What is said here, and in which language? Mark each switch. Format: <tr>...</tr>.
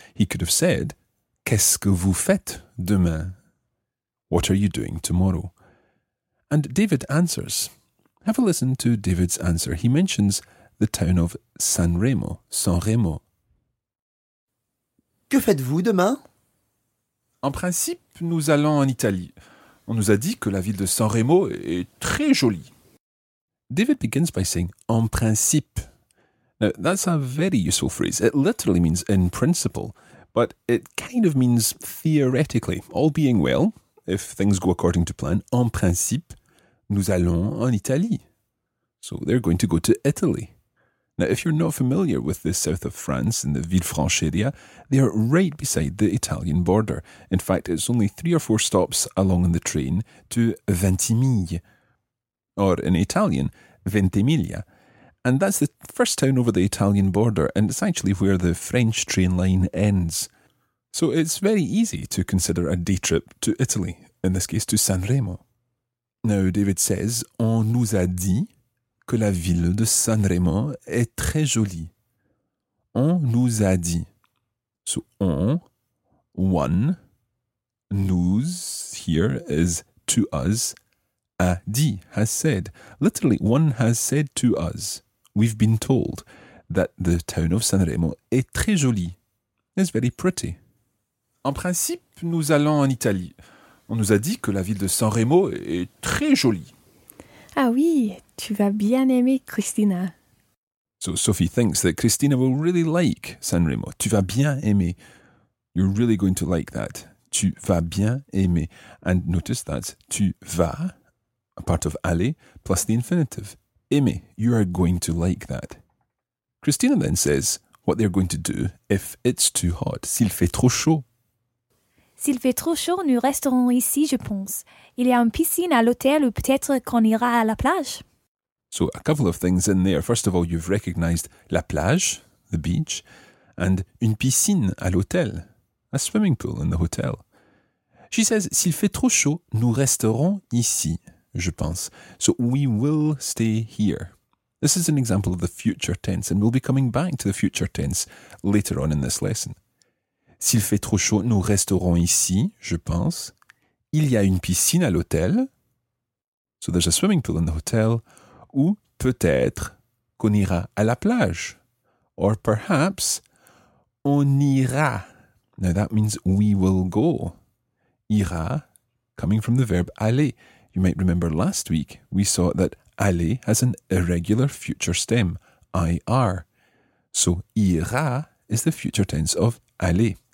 <en>He could have said,</en> <fr>qu'est-ce que vous faites demain?</fr> <en>What are you doing tomorrow? And David answers. Have a listen to David's answer. He mentions the town of San Remo, San Remo.</en> <fr>Que faites-vous demain? En principe, nous allons en Italie. On nous a dit que la ville de San Remo est très jolie.</fr> <en>David begins by saying,</en> <fr>en principe.</fr> <en>Now, that's a very useful phrase. It literally means in principle, but it kind of means theoretically. All being well, if things go according to plan,</en> <fr>en principe, nous allons en Italie.</fr> <en>So they're going to go to Italy. Now, if you're not familiar with the south of France and the Villefranche area, they are right beside the Italian border. In fact, it's only 3 or 4 stops along on the train to Ventimiglia, or in Italian, Ventimiglia. And that's the first town over the Italian border, and it's actually where the French train line ends. So it's very easy to consider a day trip to Italy, in this case to San Remo. Now, David says,</en> <fr>on nous a dit que la ville de San Remo est très jolie. On nous a dit.</fr> <en>So, on, one, nous, here, is to us, a dit, has said. Literally, one has said to us, we've been told, that the town of San Remo</en> <fr>est très jolie.</fr> <en>It's very pretty.</en> <fr>En principe, nous allons en Italie. On nous a dit que la ville de San Remo est très jolie. Ah oui, tu vas bien aimer Christina.</fr> <en>So Sophie thinks that Christina will really like San Remo.</en> <fr>Tu vas bien aimer.</fr> <en>You're really going to like that.</en> <fr>tu vas bien aimer.</fr> <en>And notice that</en> <fr>tu vas,</fr> <en>a part of aller, plus the infinitive. Aimer, you are going to like that. Christina then says what they're going to do if it's too hot,</en> <fr>s'il fait trop chaud. S'il fait trop chaud, nous resterons ici, je pense. Il y a une piscine à l'hôtel ou peut-être qu'on ira à la plage.</fr> <en>So a couple of things in there. First of all, you've recognized</en> <fr>la plage,</fr> <en>the beach, and</en> <fr>une piscine à l'hôtel,</fr> <en>a swimming pool in the hotel. She says,</en> <fr>s'il fait trop chaud, nous resterons ici, je pense.</fr> <en>So we will stay here. This is an example of the future tense, and we'll be coming back to the future tense later on in this lesson.</en> <fr>S'il fait trop chaud, nous resterons ici, je pense. Il y a une piscine à l'hôtel.</fr> <en>So there's a swimming pool in the hotel.</en> <fr>Ou peut-être qu'on ira à la plage.</fr> <en>Or perhaps</en> <fr>on ira.</fr> <en>Now that means we will go. Ira, coming from the verb aller. You might remember last week we saw that aller has an irregular future stem, ir. So ira is the future tense of aller.</en>